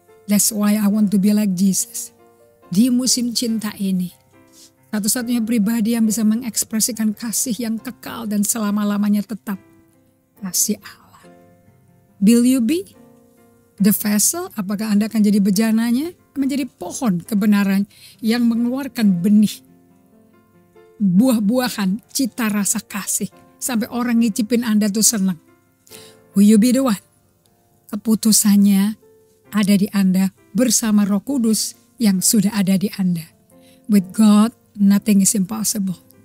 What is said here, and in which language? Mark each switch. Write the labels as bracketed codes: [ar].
[en] That's why I want to be like Jesus. [id] Di musim cinta ini, satu-satunya pribadi yang bisa mengekspresikan kasih yang kekal dan selama-lamanya tetap, kasih Allah. [en] Will you be the vessel? [id] Apakah Anda akan jadi bejananya? Menjadi pohon kebenaran yang mengeluarkan benih, buah-buahan, cita rasa kasih, sampai orang ngicipin Anda tuh senang. [en] Will you be the one? [id] Keputusannya ada di Anda bersama Roh Kudus yang sudah ada di Anda. [en] With God, nothing is impossible.